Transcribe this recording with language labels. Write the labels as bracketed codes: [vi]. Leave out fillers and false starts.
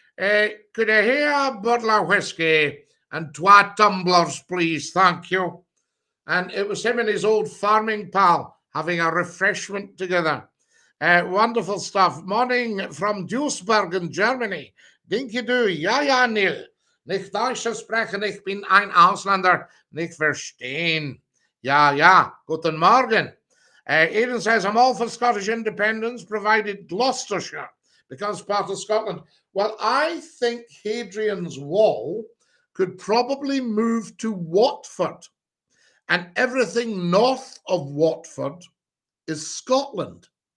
[en] Could I hear a bottle of whiskey and twa tumblers, please? Thank you. And it was him and his old farming pal having a refreshment together. Wonderful stuff. Morning from Duisburg in Germany. [de] Dinky du, ja, Neil. Nicht Deutsch sprechen, ich bin ein Ausländer. Nicht verstehen. Ja, ja. Guten Morgen. [en] Aidan says, I'm all for Scottish independence, provided Gloucestershire becomes part of Scotland. Well, I think Hadrian's Wall could probably move to Watford, and everything north of Watford is Scotland.